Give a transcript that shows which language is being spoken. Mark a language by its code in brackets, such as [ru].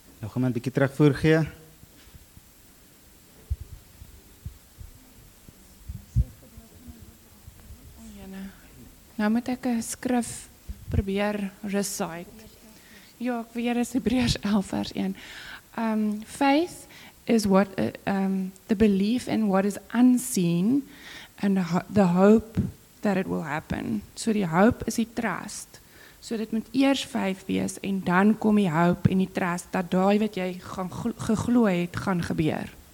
[af] Kom een bietjie terugvoer gee. Jene, nou moet ek een skrif probeer recite. Ja, ek weet, is Hebreërs 11 vers 1. [en] Faith is what the belief in what is unseen and the hope that it will happen. [af] So die hoop is die trust. So dit moet eers vyf wees en dan kom die hoop en die trust dat daai wat jy gaan geglo het gaan gebeur.